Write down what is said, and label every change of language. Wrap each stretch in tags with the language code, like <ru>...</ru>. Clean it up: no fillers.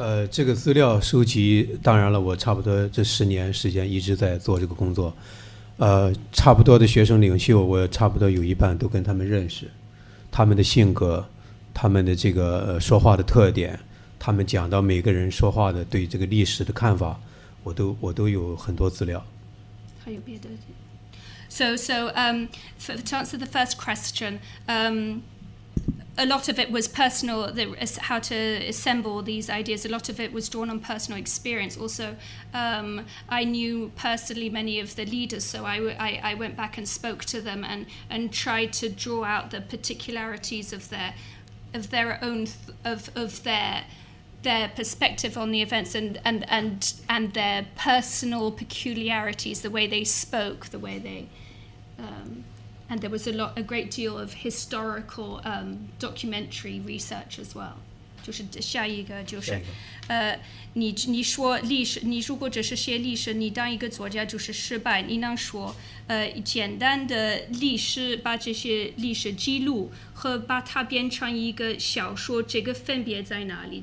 <zh>这个资料收集，当然了，我差不多这十年时间一直在做这个工作。差不多的学生领袖，我差不多有一半都跟他们认识，他们的性格，他们的这个说话的特点，他们讲到每个人说话的对这个历史的看法，我都有很多资料。还有别的</zh> <en>？So, to answer the first question, A lot of it was personal, how to assemble these ideas. A lot of it was drawn on personal experience. Also, I knew personally many of the leaders, so I went back and spoke to them and tried to draw out the particularities of their perspective on the events and their personal peculiarities, the way they spoke, the way they... And there was a great deal of historical documentary research as well.</en> <zh>就是下一个就是，你说历史，你如果只是写历史，你当一个作家就是失败。你能说，简单的历史，把这些历史记录和把它变成一个小说，这个分别在哪里？</zh>